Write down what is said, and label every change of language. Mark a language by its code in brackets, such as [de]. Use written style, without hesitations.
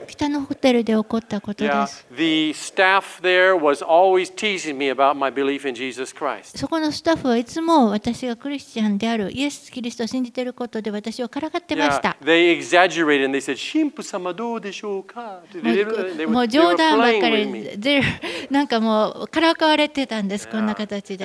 [ja] Kitano Hotel で起こったことです。 [en] Yeah, the staff there was always teasing me about my belief in Jesus Christ. [ja] そこのスタッフはいつも私がクリスチャンであるイエス・キリストを信じていることで私をからかってました。 [en] Yeah, they exaggerated and they said, [ja] 神父様どうでしょうか？もう冗談ばっかり。なんかもうからかわれてたんです、こんな形で。